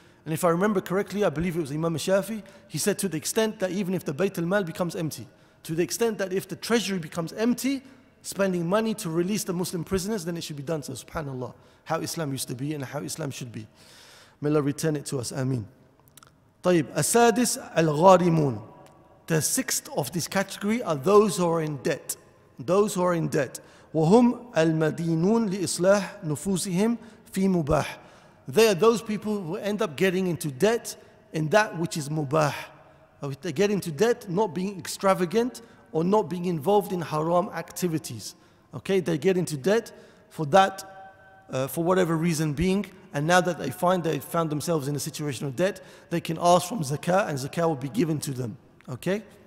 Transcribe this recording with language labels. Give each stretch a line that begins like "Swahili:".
English: And if I remember correctly, I believe it was Imam Shafi, he said to the extent that even if the Bayt al-Mal becomes empty, to the extent that if the treasury becomes empty, spending money to release the Muslim prisoners, then it should be done. So subhanAllah, how Islam used to be and how Islam should be. May Allah return it to us.
Arabic: Ameen. طيب. السادس الغارمون.
English: The sixth of this category are those who are in debt. Those who are in debt.
Arabic: وهم المدينون لإصلاح نفوسهم في مباح.
English: They are those people who end up getting into debt in that which is mubah. They get into debt not being extravagant or not being involved in haram activities. Okay, they get into debt for that, for whatever reason being, and now that they find they found themselves in a situation of debt, they can ask from zakah and zakah will be given to them. Okay?